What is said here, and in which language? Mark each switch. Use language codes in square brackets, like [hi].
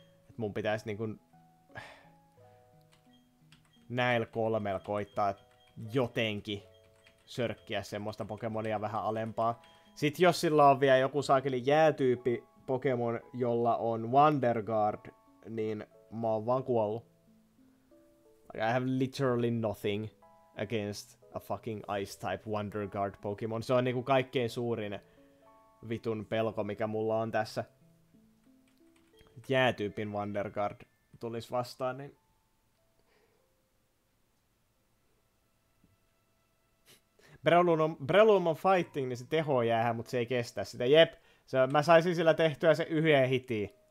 [fi] Et mun pitäisi niinku näillä kolmella koittaa jotenkin sörkkiä semmoista Pokemonia vähän alempaa. Sit jos sillä on vielä joku saakeli jäätyyppi Pokemon, jolla on Wonder Guard, niin mä oon vaan kuollut. [en] I have literally nothing against a fucking ice type Wonder Guard Pokemon. [fi] Se on niinku kaikkein suurin vitun pelko, mikä mulla on tässä. Jäätyypin Wonder Guard tulis vastaan, niin... Breloom on fighting, niin se teho jäähän, mutta se ei kestä sitä. Jep, se, mä saisin sillä tehtyä se yhden hitiin.